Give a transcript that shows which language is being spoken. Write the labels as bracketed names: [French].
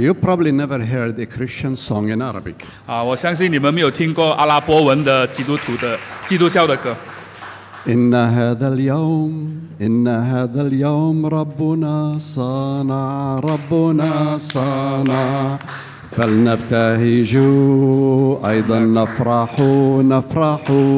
[English] You probably never heard a Christian song in Arabic. [Chinese] 我相信你们没有听过阿拉伯文的基督徒的基督教的歌。 [Arabic] إن هذا اليوم إن هذا اليوم ربنا صنع ربنا صنع فلنبتهج أيضا نفرح